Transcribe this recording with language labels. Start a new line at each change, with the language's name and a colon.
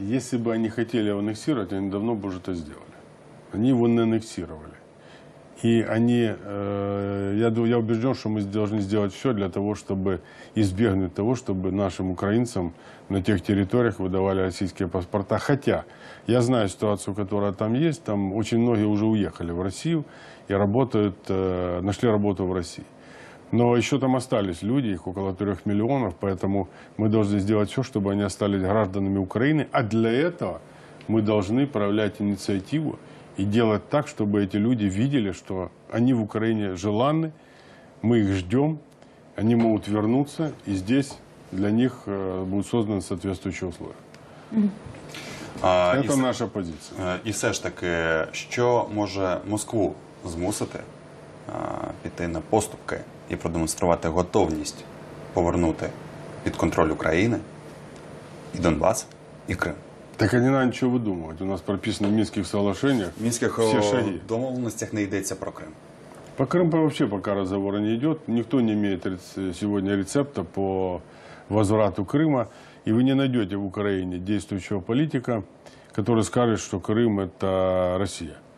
Ukrainian: Якщо б вони хотіли анексувати, вони давно б вже це зробили. Вони його не анексували. І вони,
Russian: я убежден,
Ukrainian: що ми повинні зробити все для того, щоб ізбігнути того, щоб нашим українцям
Russian: на тех территориях выдавали российские паспорта. Хотя, я знаю ситуацию, которая там есть, там очень многие уже уехали в Россию и работают, нашли работу в России. Но еще там остались люди, их около 3 миллионов, поэтому мы должны сделать все, чтобы они остались гражданами Украины. А для этого мы должны проявлять инициативу и делать так, чтобы эти люди видели, что они в Украине желанны, мы их ждем, они могут вернуться и здесь...
Ukrainian: Для них будуть створені відповідні умови. Це наша позиція. І все ж таки, що може Москву змусити піти на поступки і продемонструвати готовність повернути під контроль України
Russian: и Донбасс, и Крым. Так они на ничего выдумывать. У нас прописано в Минских соглашениях. В Минских
Ukrainian: домовленностях не йдеться про Крым.
Russian: По Крыму вообще пока разговора не идет. Никто не имеет сегодня рецепта по возврату Крыма. И вы не найдете в Украине действующего политика, который скажет, что Крым – это Россия.